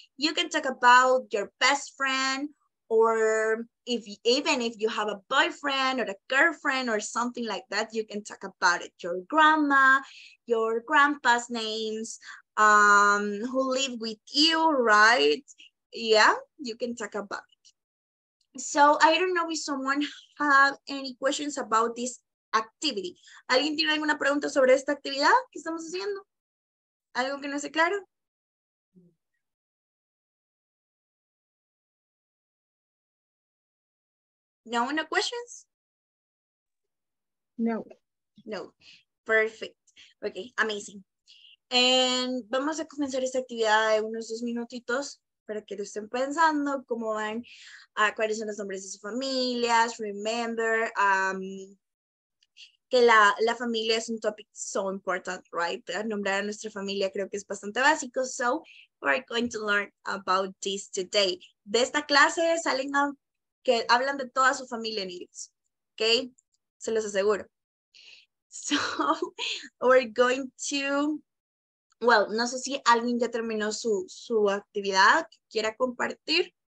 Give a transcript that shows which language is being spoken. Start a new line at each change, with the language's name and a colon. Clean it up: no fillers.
English: You can talk about your best friend or if even if you have a boyfriend or a girlfriend or something like that, you can talk about it. Your grandma, your grandpa's names, who live with you, right? Yeah, you can talk about it. So I don't know if someone have any questions about this activity.
Spanish: ¿Alguien tiene alguna pregunta sobre esta actividad que estamos haciendo? ¿Algo que no sea claro?
English: No, no questions? No. No. Perfect. Ok, amazing.
Spanish: And vamos a comenzar esta actividad en unos 2 minutitos para que lo estén pensando, cómo van, cuáles son los nombres de sus familias, remember, que la familia es un topic
English: so important,
Spanish: right? Nombrar a nuestra familia creo que es bastante básico.
English: So, we're going to learn about this today.
Spanish: De esta clase salen que hablan de toda su familia en inglés. Okay? Se los aseguro.
English: So, we're going to... Well,
Spanish: no sé si alguien ya terminó su actividad que quiera compartir.